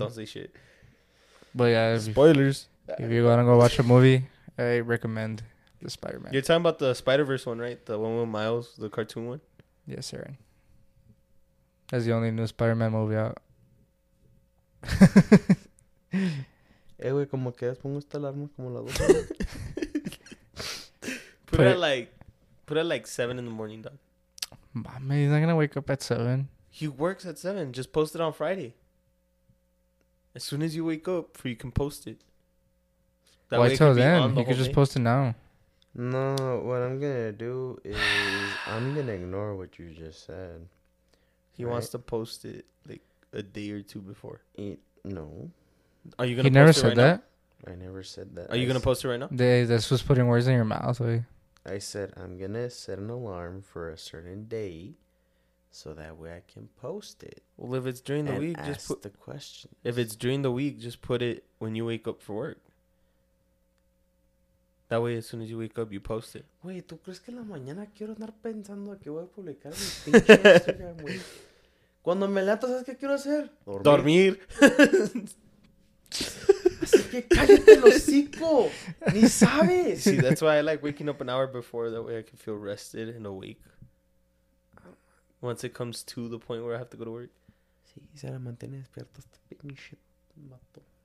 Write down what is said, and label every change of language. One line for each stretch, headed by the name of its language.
English: Nah, don't say shit. But yeah, spoilers. If you wanna go watch a movie, I recommend the Spider-Man. You're talking about the Spider-Verse one, right? The one with Miles, the cartoon one? Yes, sir. That's the only new Spider-Man movie out.
Spanish: Hey, güey, como quedas, pongo esta alarma como la dos.
English: Put it at like 7 in the morning, dog. Mami, he's not going to wake up at 7. He works at 7. Just post it on Friday. As soon as you wake up, you can post it. That way till then? You could just post it now. No, what I'm going to do is I'm going to ignore what you just said. He right? wants to post it like a day or two before. No. Are you going to post it right now? He never said that. I never said that. Are you going to post it right now? That's just putting words in your mouth. Like. I said, I'm going to set an alarm for a certain day so that way I can post it. Well, if it's during the week, just put the question. If it's during the week, just put it when you wake up for work. That way, as soon as you wake up, you post it. Wait,
Spanish: ¿tú crees que en la mañana quiero andar pensando que voy a publicar mi pinche Instagram, güey? Cuando me levanto, ¿sabes qué quiero hacer? Dormir. Así que cállate el hocico. Ni sabes.
English: See, that's why I like waking up an hour before. That way I can feel rested and awake. Once it comes to the point where I have to go to work.
Spanish: Sí, se la mantiene despierto este pinche mato.